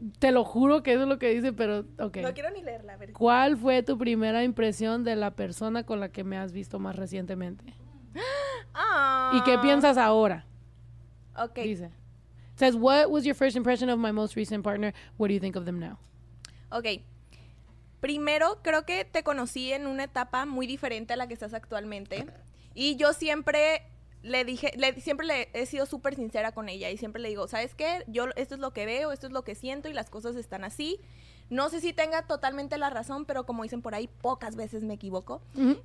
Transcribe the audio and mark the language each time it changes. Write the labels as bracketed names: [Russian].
[Spanish] Te lo juro que eso es lo que dice, pero ok. No quiero ni leerla. A ver. ¿Cuál fue tu primera impresión de la persona con la que me has visto más recientemente? ¿Y qué piensas ahora? Ok. Dice. [English] It says, what was your first impression of my most recent partner? What do you think of them now? Ok. [Spanish] Primero, creo que te conocí en una etapa muy diferente a la que estás actualmente. Y yo siempre... Siempre he sido súper sincera con ella y siempre le digo, ¿sabes qué? Yo esto es lo que veo, esto es lo que siento y las cosas están así. No sé si tenga totalmente la razón, pero como dicen por ahí, pocas veces me equivoco. Uh-huh.